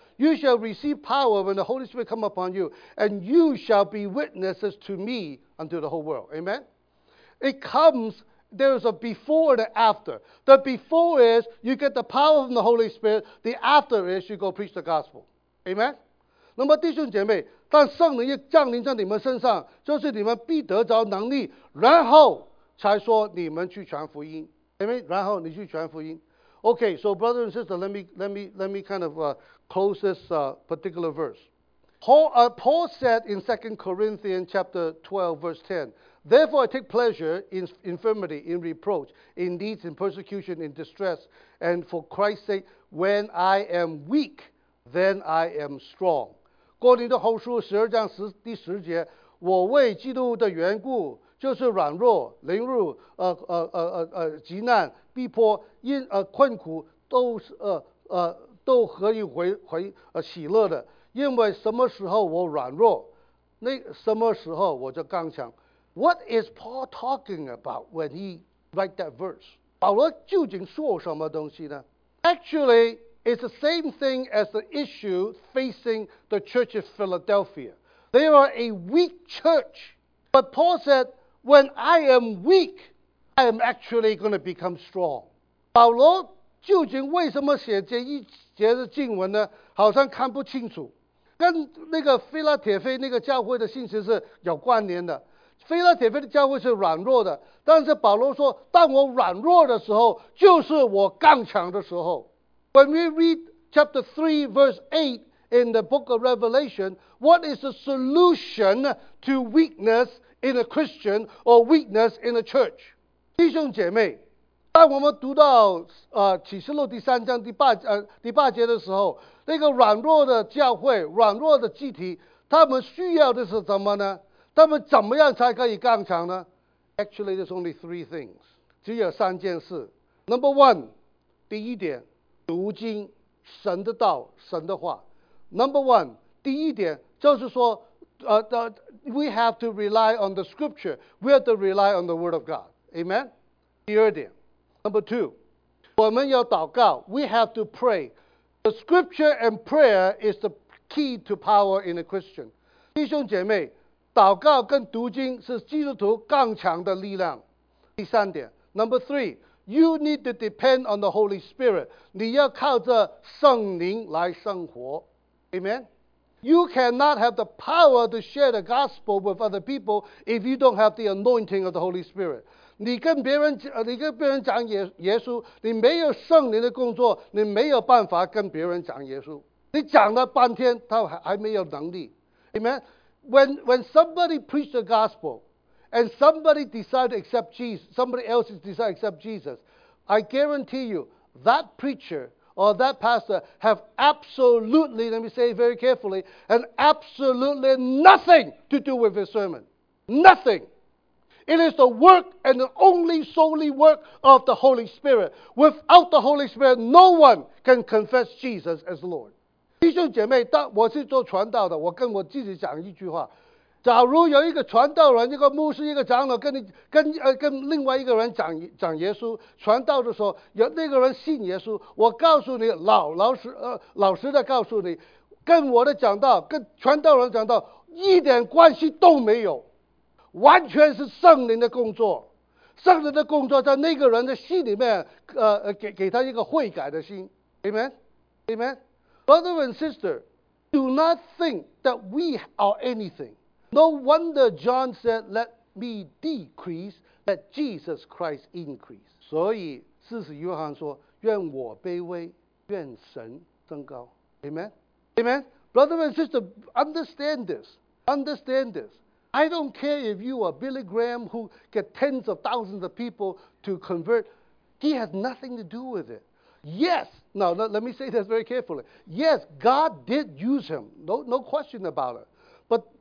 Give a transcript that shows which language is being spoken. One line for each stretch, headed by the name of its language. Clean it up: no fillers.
English: You shall receive power when the Holy Spirit come upon you, and you shall be witnesses to me unto the whole world. Amen? It comesThere is a before and an after. The before is you get the power from the Holy Spirit. The after is you go preach the gospel. Amen?
Chinese: 那么弟兄姐妹，当圣灵降临在你们身上，就是你们必得着能力，然后才说你们去传福音。
English: Amen?
Chinese: 然后你去传福音。
English: Okay, so brothers and sisters, let me kind of close this particular verse. Paul said in 2 Corinthians chapter 12, verse 10,Therefore, I take pleasure in infirmity, in reproach, in needs, in persecution, in distress. And for Christ's sake, when I am weak, then I am strong.
Chinese: 哥林多后书十二章第十节，我为基督的缘故，就是软弱、凌辱、急难、逼迫、困苦，都可以回喜乐的。因为什么时候我软弱，那什么时候我就刚强。
English: What is Paul talking about when he write that verse?
Chinese: 保罗究竟说什么东西呢？
English: Actually, it's the same thing as the issue facing the church of Philadelphia. They are a weak church. But Paul said, when I am weak, I am actually going to become strong.
Chinese: 保罗究竟为什么写这一节的经文呢？好像看不清楚。跟那个腓拉铁腓那个教会的信息是有关联的。腓拉铁腓的教会是软弱的，但是保罗说，当我软弱的时候，就是我刚强的时候。
English: When we read chapter 3 verse 8 in the book of Revelation, what is the solution to weakness in a Christian or weakness in a church?
Chinese: 弟兄姐妹，当我们读到启示录第三章第八节的时候，那个软弱的教会、软弱的肢体，他们需要的是什么呢？他们怎么样才可以刚强呢？
English: Actually, there's only three things.
Chinese: 只有三件事。
English: Number one,
Chinese: 第一点，读经，神的道，神的话。
English: Number one,
Chinese: 第一点就是说
English: we have to rely on the scripture. We have to rely on the word of God.
Chinese: Amen? 第二点。
English: Number two,
Chinese: 我们要祷告。
English: We have to pray. The scripture and prayer is the key to power in a Christian.
Chinese: 弟兄姐妹，祷告跟读经是基督徒刚强的力量。第三点。
English: Number three, you need to depend on the Holy Spirit.
Chinese: 你要靠着圣灵来生活。Amen?
English: You cannot have the power to share the gospel with other people if you don't have the anointing of the Holy Spirit.
Chinese: 你跟别人讲耶稣，你没有圣灵的工作，你没有办法跟别人讲耶稣。你讲了半天，他还没有能力。
English: Amen? When somebody preached the gospel and somebody decided to accept Jesus, somebody else decided to accept Jesus, I guarantee you that preacher or that pastor have absolutely, let me say it very carefully, and absolutely nothing to do with his sermon. Nothing. It is the work and the only solely work of the Holy Spirit. Without the Holy Spirit, no one can confess Jesus as Lord.
Chinese: 弟兄姐妹，我是做传道的，我跟我自己讲一句话。假如有一个传道人，一个牧师，一个长老跟另外一个人讲耶稣，传道的时候有那个人信耶稣，我告诉你，老实的告诉你，跟我的讲道，跟传道人讲道一点关系都没有，完全是圣灵的工作。圣灵的工作在那个人的心里面，给他一个悔改的心。
English: Amen? Amen? Brother and sister, do not think that we are anything. No wonder John said, let me decrease, let Jesus Christ increase.
Chinese: 所以四使约翰说，愿我卑微，愿神增高。
English: Amen? Amen? Brother and sister, understand this. Understand this. I don't care if you are Billy Graham who get tens of thousands of people to convert. He has nothing to do with it. Yes, now let me say this very carefully. Yes, God did use him. No question about it.